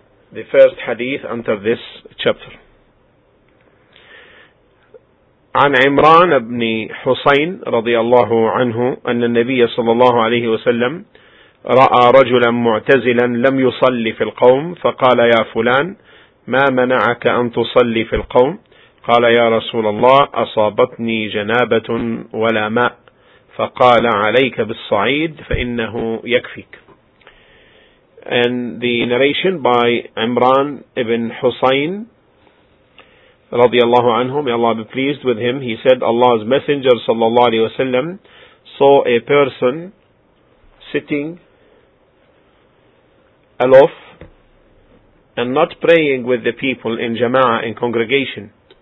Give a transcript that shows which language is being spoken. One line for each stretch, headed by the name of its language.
English: The first hadith under this chapter.
Arabic: عن عمران بن حسين رضي الله عنه أن النبي صلى الله عليه وسلم رأى رجلا معتزلا لم يصلي في القوم فقال يا فلان ما منعك أن تصلي في القوم قال يا رسول الله أصابتني جنابة ولا ماء فقال عليك بالصعيد فإنه يكفيك.
English: And the narration by عمران بن حسين رضي الله عنه, may Allah be pleased with him. He said, Allah's Messenger صلى الله عليه وسلم saw a person sitting aloof and not praying with the people in jama'ah, in congregation.